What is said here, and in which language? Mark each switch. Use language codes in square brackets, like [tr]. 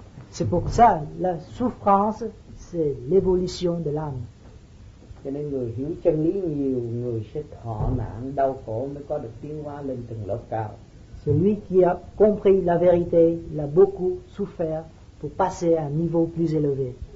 [fr] C'est pour ça, la souffrance, c'est l'évolution de l'âme. [vi] Cho nên người hiểu chân lý nhiều, người sẽ thọ nạn, đau khổ mới có được tiến hóa lên từng lớp cao. [fr] Celui qui a compris la vérité, il a beaucoup souffert pour passer à un niveau plus élevé.